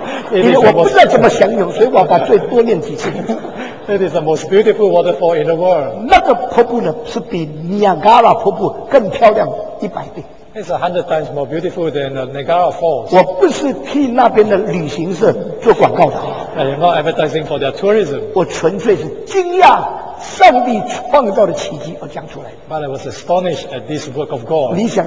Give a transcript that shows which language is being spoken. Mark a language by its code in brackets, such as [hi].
[zh] 因为我不知道怎么形容，所以我把最多念几次。 [en] It is the most beautiful waterfall in the world. [zh] 那个瀑布呢，是比尼亚加拉瀑布更漂亮100倍。 [en] It's 100 times more beautiful than the Niagara Falls. [zh] 我不是替那边的旅行社做广告的。 [en] I am not advertising for their tourism. [zh] 我纯粹是惊讶。上帝创造的奇迹而讲出来的。 [en] But I was astonished at this work of God.